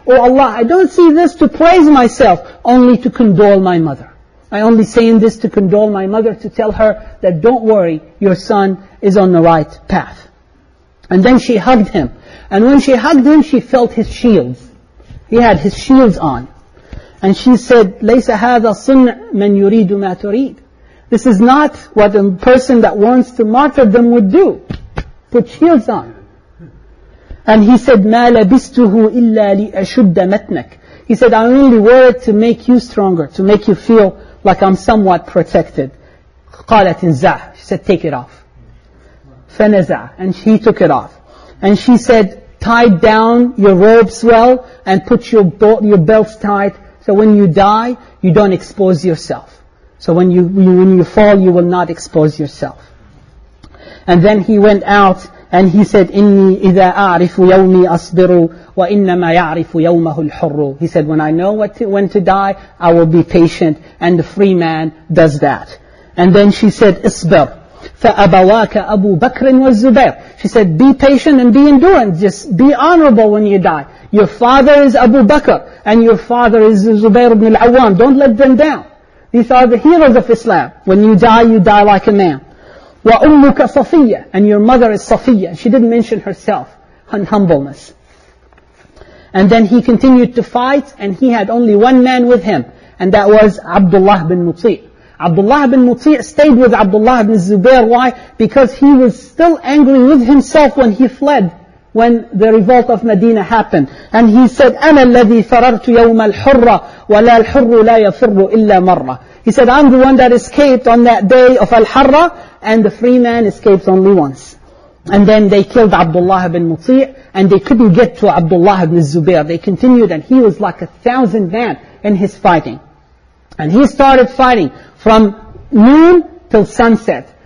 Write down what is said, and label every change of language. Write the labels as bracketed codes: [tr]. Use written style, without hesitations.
[en] Oh Allah, I don't say this to praise myself, only to condole my mother. I only say this to condole my mother, to tell her that don't worry, your son is on the right path. And then she hugged him. And when she hugged him, she felt his shields. He had his shields on. And she said, [ar] لَيْسَ هَذَا صُنْعْ مَنْ يُرِيدُ مَا تُرِيدُ. [en] This is not what a person that wants to martyr them would do. Put shields on. And he said, [ar] مَا لَبِسْتُهُ إِلَّا لِأَشُدَّ مَتْنَكَ. [en] He said, I only wear it to make you stronger, to make you feel like I'm somewhat protected. [ar] قَالَتْ إِنْزَعْ. [en] She said, take it off. [ar] فَنَزَعْ. [en] And he took it off. And she said, tie down your robes well and put your belts tight. So when you die, you don't expose yourself. So when you fall, you will not expose yourself. And then he went out and he said, [ar] إِنِّي إِذَا أَعْرِفُ يَوْمِي أَصْبِرُ وَإِنَّمَا يَعْرِفُ يَوْمَهُ الْحُرُّ. [en] He said, when I know when to die, I will be patient. And the free man does that. And then she said, [ar] اصبر فَأَبَوَاكَ أَبُو بَكْرٍ وَالزُّبَيْرِ. [en] She said, be patient and be endurance. Just be honorable when you die. Your father is Abu Bakr and your father is Zubair ibn al-Awwam. Don't let them down. These are the heroes of Islam. When you die like a man. [ar] وَأُمُّكَ صَفِيَّةٌ. [en] And your mother is Safiya. She didn't mention herself in humbleness. And then he continued to fight and he had only one man with him. And that was Abdullah ibn Muti'. Abdullah ibn Muti' stayed with Abdullah ibn Zubair. Why? Because he was still angry with himself when he fled. When the revolt of Medina happened. And he said, [ar] أَنَا الَّذِي فَرَرْتُ يَوْمَ الْحُرَّةِ وَلَا الْحُرُّ لَا يَفِرُّ إِلَّا مَرَّةِ. [en] He said, I'm the one that escaped on that day of Al-Harra, and the free man escapes only once. And then they killed Abdullah ibn Muti', and they couldn't get to Abdullah ibn Zubair. They continued, and he was like 1,000 men in his fighting. And he started fighting from noon till sunset.